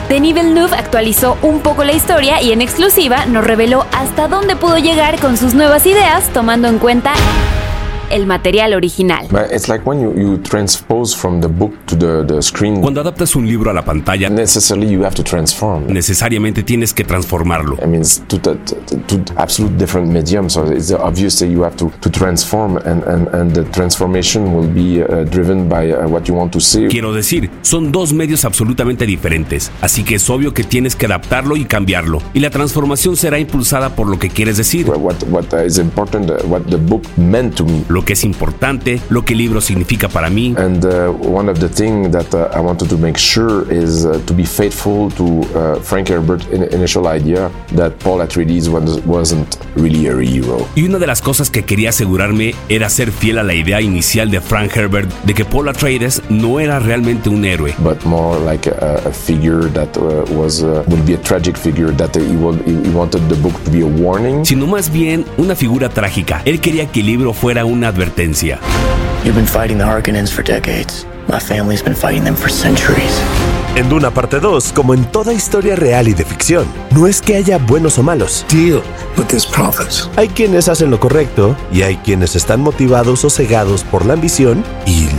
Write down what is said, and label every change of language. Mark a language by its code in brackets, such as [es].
[es] Denis Villeneuve actualizó un poco la historia y en exclusiva nos reveló hasta dónde pudo llegar con sus nuevas ideas, tomando en cuenta el material original. [en] It's like when you transpose from the book to the screen. [es] Cuando adaptas un libro a la pantalla, [en] necessarily you have to transform. [es] Necesariamente tienes que transformarlo. [en] I mean, it's two absolute different mediums, so it's obvious that you have to transform, and the transformation will be driven by what you want to see. [es] Quiero decir, son dos medios absolutamente diferentes, así que es obvio que tienes que adaptarlo y cambiarlo, y la transformación será impulsada por lo que quieres decir. [en] What is important, what the book meant to me. [es] Lo que es importante, lo que el libro significa para mí. [en] And one of the things that I wanted to make sure is to be faithful to Frank Herbert's initial idea that Paul Atreides wasn't really a hero. [es] Y una de las cosas que quería asegurarme era ser fiel a la idea inicial de Frank Herbert de que Paul Atreides no era realmente un héroe. [en] But more like a figure that was would be a tragic figure that he wanted the book to be a warning. [es] Sino más bien una figura trágica. Él quería que el libro fuera una advertencia. [en] You've been fighting the Harkonnens for decades. My family's been fighting them for centuries. [es] En Duna Parte 2, como en toda historia real y de ficción, no es que haya buenos o malos. [en] Deal with these prophets. [es] Hay quienes hacen lo correcto y hay quienes están motivados o cegados por la ambición y